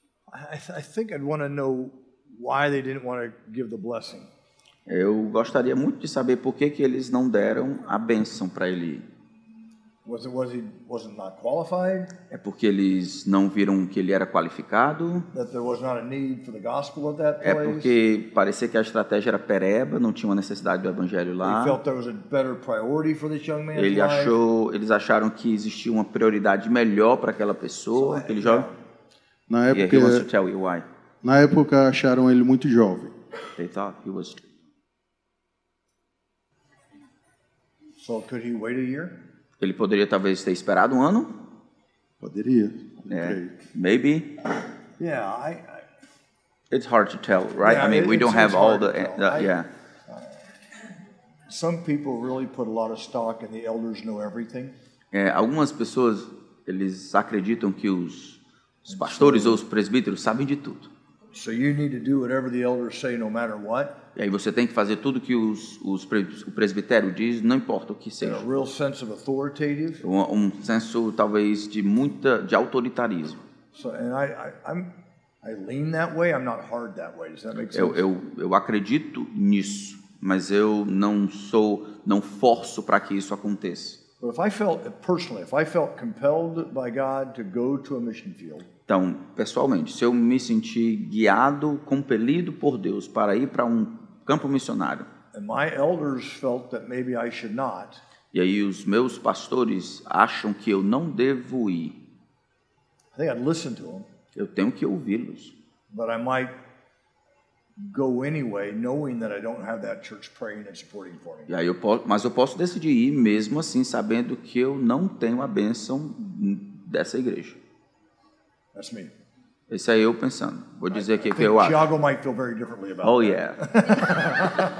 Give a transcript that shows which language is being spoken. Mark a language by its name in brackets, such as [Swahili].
[English] I think I'd want to know why they didn't want to give the blessing. [Portuguese] Eu gostaria muito de saber por que eles não deram a bênção para ele. [English] Was it not qualified? [Portuguese] É porque eles não viram que ele era qualificado? [English] That there was not a need for the gospel at that place? [Portuguese] É porque parecia que a estratégia era pereba, não tinha uma necessidade do evangelho lá. [English] They felt there was a better priority for this young man's life. [Portuguese] Eles acharam que existia uma prioridade melhor para aquela pessoa, aquele jovem. Na época, [English] he wants to tell you why. [Portuguese] Na época acharam ele muito jovem. [English] They thought he was. So could he wait a year? [Portuguese] Ele poderia talvez ter esperado um ano? Poderia. [English] Maybe. Yeah, it's hard to tell, right? Yeah, I mean, we don't have all the Some people really put a lot of stock in the elders know everything. [Portuguese] Algumas pessoas eles acreditam que os pastores ou os presbíteros sabem de tudo. [English] So you need to do whatever the elders say no matter what. [Portuguese] E aí você tem que fazer tudo que o presbitério diz, não importa o que seja. [English] Real sense of authoritative. [Portuguese] Um senso talvez de muita de autoritarismo. [English] So, and I lean that way. I'm not hard that way. Does that make sense? [Portuguese] Eu acredito nisso. mas eu não forço para que isso aconteça. [English] But if I felt personally, if I felt compelled by God to go to a mission field. [Portuguese] Então, pessoalmente, se eu me senti guiado, compelido por Deus para ir para um campo missionário. [English] And my elders felt that maybe I should not. [Portuguese] E aí os meus pastores acham que eu não devo ir. [English] I think I'd listen to them. [Portuguese] Eu tenho que ouvi-los. [English] But I might go anyway, knowing that I don't have that church praying and supporting for me. [Portuguese] E aí eu posso, mas eu posso decidir ir mesmo assim, sabendo que eu não tenho a bênção dessa igreja. [English] That's me. [Portuguese] Esse aí eu pensando. Vou dizer o que eu acho. [English] Thiago might feel very differently about oh, that. Yeah.